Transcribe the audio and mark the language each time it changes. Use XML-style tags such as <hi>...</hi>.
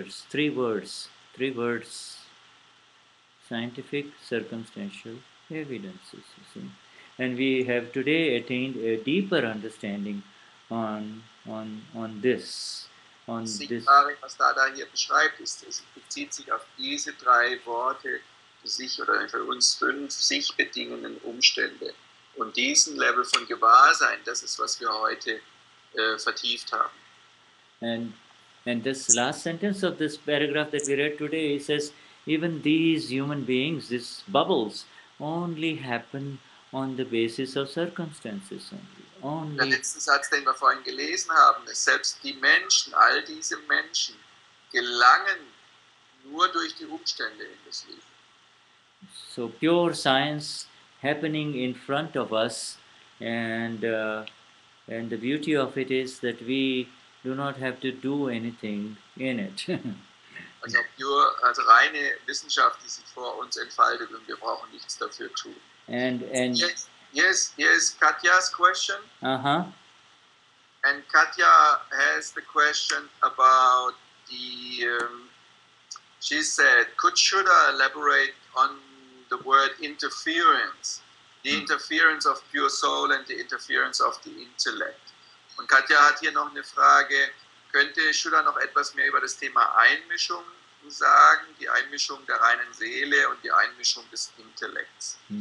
<en>Three words, scientific circumstantial evidences, you see. And we have today attained a deeper understanding on this.</en> <de>Was Dada hier beschreibt, ist, es bezieht sich auf diese drei Worte, sich oder für uns fünf sich bedingenden Umstände. Und diesen Level von Gewahrsein, das ist, was wir heute vertieft haben.</de> <en>And this last sentence of this paragraph that we read today, he says, even these human beings, these bubbles, only happen on the basis of circumstances only.</en> <de>Der letzte Satz, den wir vorhin gelesen haben, ist, selbst die Menschen, all diese Menschen, gelangen nur durch die Umstände in das Leben.</de> <en>So pure science happening in front of us, and the beauty of it is that we do not have to do anything in it.</en> <de>Also reine Wissenschaft, die sich vor uns entfaltet, und wir brauchen nichts dafür tun.</de> <en>And yes, Katja's question. Uh-huh. And Katja has the question about the, she said, could Shuddha elaborate on the word interference, the interference of pure soul and the interference of the intellect?</en> <de>Und Katja hat hier noch eine Frage, könnte Shuddha noch etwas mehr über das Thema Einmischung sagen, die Einmischung der reinen Seele und die Einmischung des Intellekts?</de>